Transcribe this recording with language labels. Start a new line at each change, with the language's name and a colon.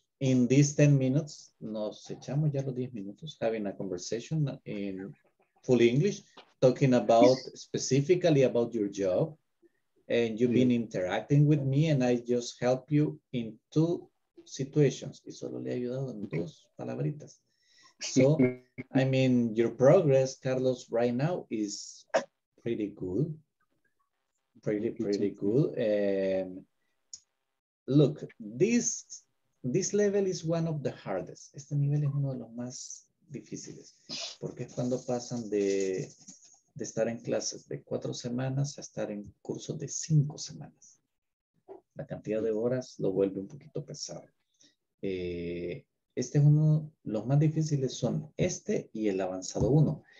English: In these 10 minutes,
Spanish: nos echamos ya los 10 minutos
English: having a conversation in full English, talking about specifically about your job. And you've been interacting with me, and I just help you in two situations.
Spanish: Y solo le he ayudado en dos palabritas.
English: So, I mean, your progress, Carlos, right now is pretty good. Pretty, pretty good. Look, this level is one of the hardest.
Spanish: Este nivel es uno de los más difíciles. Porque es cuando pasan de estar en clases de 4 semanas a estar en cursos de 5 semanas. La cantidad de horas lo vuelve un poquito pesado. Este es uno, los más difíciles son este y el avanzado 1.